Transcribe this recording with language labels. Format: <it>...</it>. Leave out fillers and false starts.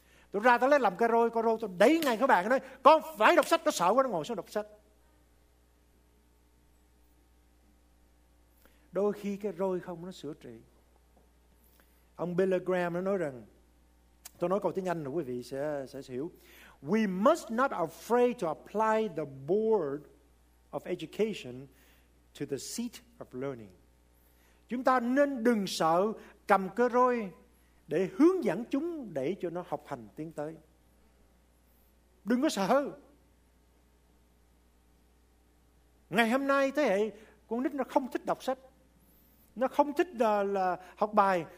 <vi>Tôi ra tôi lấy làm cái roi, con roi tôi đẩy ngay các bạn nói, con phải đọc sách, nó sợ quá nó ngồi xuống đọc sách. Đôi khi cái roi không nó sửa trị. Ông Billy Graham nó nói rằng, tôi nói câu tiếng Anh là quý vị sẽ hiểu.</vi> <en>We must not afraid to apply the board of education to the seat of learning.</en> <vi>Chúng ta nên đừng sợ cầm cơ roi để hướng dẫn chúng để cho nó học hành tiến tới. Đừng có sợ. Ngày hôm nay thế hệ con nít nó không thích đọc sách. Nó không thích là học bài.</vi>